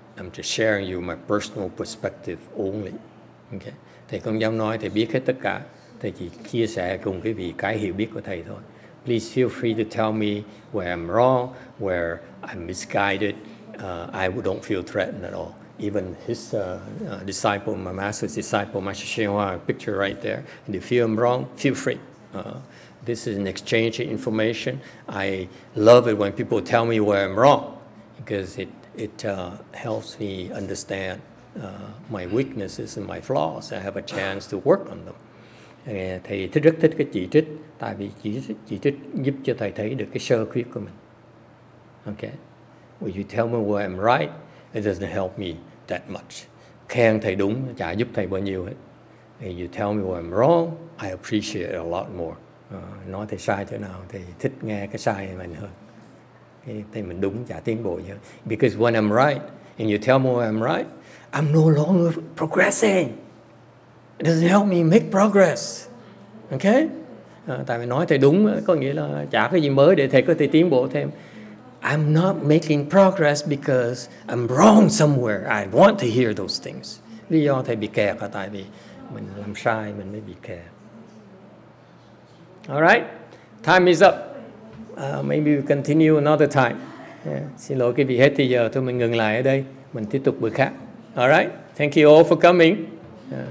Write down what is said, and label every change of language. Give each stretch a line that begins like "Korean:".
English: I'm just sharing you my personal perspective only. Okay?
Vietnamese: Thầy không dám nói thầy biết hết tất cả. Thầy chỉ chia sẻ cùng quý vị cái hiểu biết của thầy thôi.
English: Please feel free to tell me where I'm wrong, where I'm misguided, I don't feel threatened at all. Even his disciple, my master's disciple, Master Xianhua, picture right there. And if you're wrong, feel free. This is an exchange of information. I love it when people tell me where I'm wrong, because it helps me understand my weaknesses and my flaws. I have a chance to work on them.
Vietnamese: Thầy rất thích cái chỉ trích, tại vì chỉ trích giúp cho thầy thấy được cái sơ khuyết của mình. Okay.
English: Will you tell me where I'm right? It doesn't help me that much.
Vietnamese: Khen thầy đúng, chả giúp thầy bao nhiêu hết.
English: If you tell me where I'm wrong, I appreciate it a lot more.
Vietnamese: Nói thầy sai chỗ nào, thầy thích nghe cái sai của mình hơn. Thầy mình đúng, chả tiến bộ nhiều.
English: Because when I'm right, and you tell me where I'm right, I'm no longer progressing. It doesn't help me make progress. Okay?
Vietnamese: Tại vì nói thầy đúng, có nghĩa là chả cái gì mới để thầy có thể tiến bộ thêm.
English: I'm not making progress because I'm wrong somewhere. I want to hear those things.
Vietnamese: Lý do thầy bị kẹt là tại vì mình làm sai, mình mới bị kẹt.
English: All right, time is up. Maybe we continue another time. Yeah.
Vietnamese: Xin lỗi quý vị, hết thì giờ thôi, mình ngừng lại ở đây. Mình tiếp tục bữa khác.
English: All right, thank you all for coming.
Vietnamese: Yeah.